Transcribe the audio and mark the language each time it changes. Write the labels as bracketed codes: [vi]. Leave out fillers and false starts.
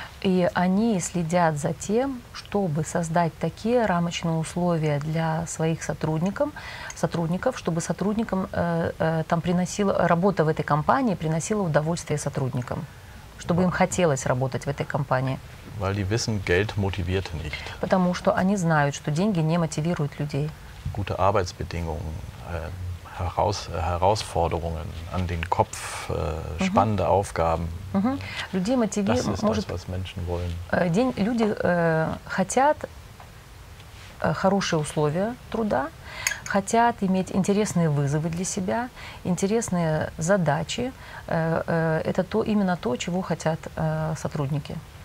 [ru] И они следят за тем, чтобы создать такие рамочные условия для своих сотрудников, чтобы сотрудникам там приносила работа в этой компании приносила удовольствие сотрудникам, чтобы им хотелось работать в этой компании. [de] Weil die wissen, Geld motiviert nicht. [ru] Потому что они знают, что деньги не мотивируют людей. [de] Gute Arbeitsbedingungen, Herausforderungen an den Kopf, spannende Aufgaben. [ru] Люди мотивируют, может, [de] was Menschen wollen. [ru] Люди хотят хорошие условия труда, хотят иметь интересные вызовы для себя, интересные задачи. Это то именно то, чего хотят сотрудники.